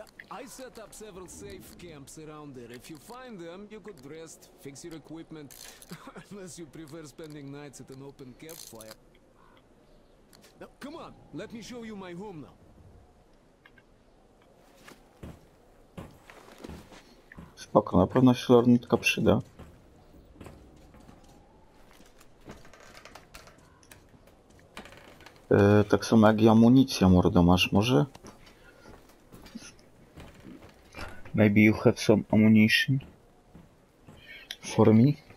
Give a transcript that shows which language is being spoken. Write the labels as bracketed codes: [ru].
[en] I set up several safe camps around there. If you find them, you could rest, fix your equipment, unless you prefer spending nights at an open campfire. Now, come on, let me show you my home now. [pl] Spoko, na pewno się lornetka przyda. Tak samo jak i amunicja, mordo, masz może? [en] Maybe you have some ammunition for me?